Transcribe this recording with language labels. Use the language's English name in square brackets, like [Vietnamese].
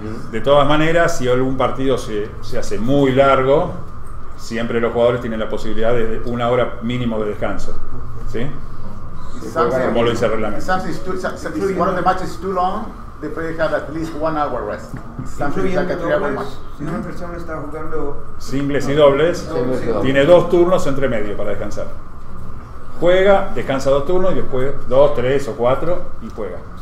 [Spanish] De todas maneras, si algún partido se hace muy largo, siempre los jugadores tienen la posibilidad de una hora mínimo de descanso. ¿Sí? Como lo dice el reglamento. [English] One of the matches is too long, the player has at least 1 hour rest. [Spanish] Si una persona está jugando singles y dobles, tiene dos turnos entre medio para descansar. Juega, descansa dos turnos y después dos, tres o cuatro y juega.